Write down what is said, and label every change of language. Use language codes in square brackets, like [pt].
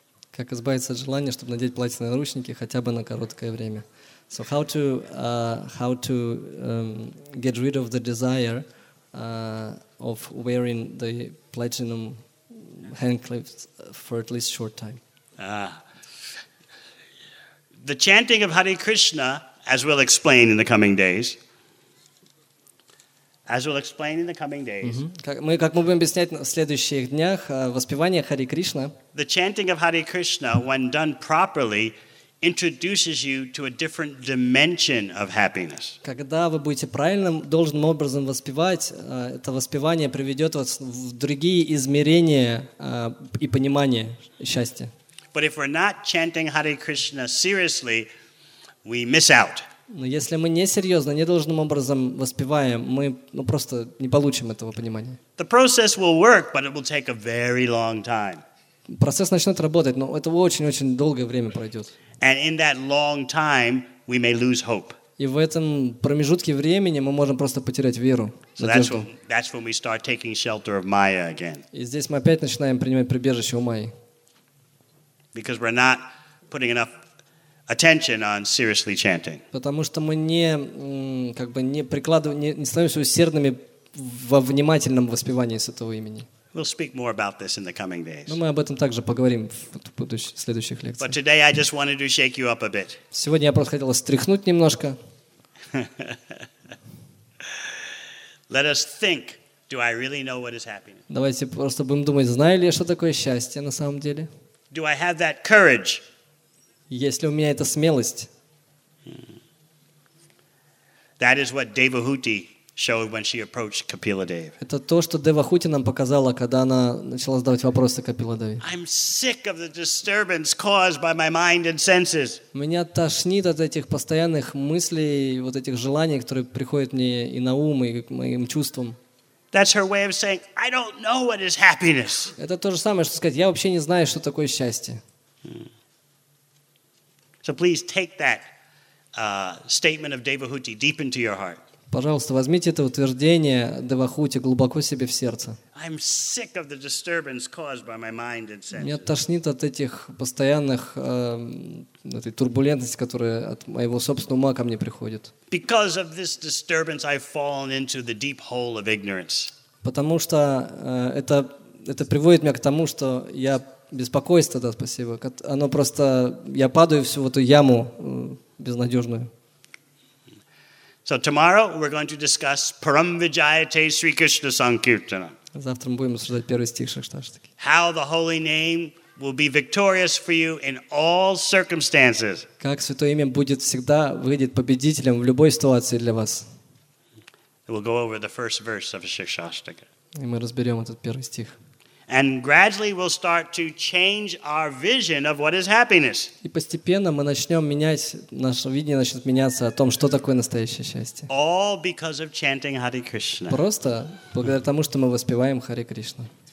[ru] Как избавиться от желания, чтобы надеть платиновые наручники хотя бы на короткое время. [en] So how to get rid of the desire of wearing the platinum handcuffs for at least short time. The chanting of Hare Krishna, as we'll explain in the coming days. As we'll explain in the coming days. [ru] Как мы будем объяснять в следующих днях воспевание Хари Кришна. [en] The chanting of Hare Krishna, when done properly, introduces you to a different dimension of happiness. [ru] Когда вы будете правильным должным образом воспевать, это воспевание приведет вас в другие измерения и понимание счастья. [en] But if we're not chanting Hare Krishna seriously, we miss out. [ru] Но если мы не серьезно, не должным образом воспеваем, мы ну, просто не получим этого понимания. [en] The process will work, but it will take a very long time. [ru] Процесс начнет работать, но это очень-очень долгое время пройдет. [en] And in that long time, we may lose hope. [ru] И в этом промежутке времени мы можем просто потерять веру. [en] So that's when we start taking shelter of Maya again. [ru] И здесь мы опять начинаем принимать прибежище у Майи. [en] Because we're not putting enough attention on seriously chanting. [ru] Потому что мы не как бы не прикладываем, не становимся усердными во внимательном воспевании святого имени. [en] We'll speak more about this in the coming days. [ru] Мы об этом также поговорим в следующих лекциях. [en] But today I just wanted to shake you up a bit. [ru] Сегодня я просто хотел встряхнуть немножко. [en] Let us think. Do I really know what is happiness? [ru] Давайте просто будем думать, знаю ли я, что такое счастье на самом деле? [en] Do I have that courage? [ru] Есть ли у меня эта смелость? Это то, что Девахути нам показала, когда она начала задавать вопросы Капиладеве. [en] I'm sick of the disturbance caused by my mind and senses. [ru] Меня тошнит от этих постоянных мыслей, вот этих желаний, которые приходят мне и на ум, и к моим чувствам. [en] That's her way of saying, I don't know what is happiness. [ru] Это то же самое, что сказать, я вообще не знаю, что такое счастье. [en] So please take that statement of Devahuti deep into your heart. [ru] Пожалуйста, возьмите это утверждение Девахути глубоко себе в сердце. [en] I'm sick of the disturbance caused by my mind and senses. [ru] Меня тошнит от этих постоянных этой турбулентности, которая от моего собственного ума ко мне приходит. [en] Because of this disturbance, I've fallen into the deep hole of ignorance. [ru] Потому что это приводит меня к тому, что я беспокойство, да, спасибо. Оно просто, я падаю всю в эту яму безнадежную. [en] So tomorrow we're going to discuss Param Vijayate Sri Krishna Sankirtana. [ru] Завтра мы будем обсуждать первый стих Шакшташтаки. [en] How the holy name will be victorious for you in all circumstances. [ru] Как святое имя будет всегда выйдет победителем в любой ситуации для вас. [en] We'll go over the first verse of Шакшташтака. [ru] И мы разберем этот первый стих. [en] And gradually we'll start to change our vision of what is happiness. [ru] И постепенно мы начнем менять наше видение, начнет меняться о том, что такое настоящее счастье. [en] All because of chanting Hare Krishna. [ru] Просто благодаря тому, что мы воспеваем Харе Кришна.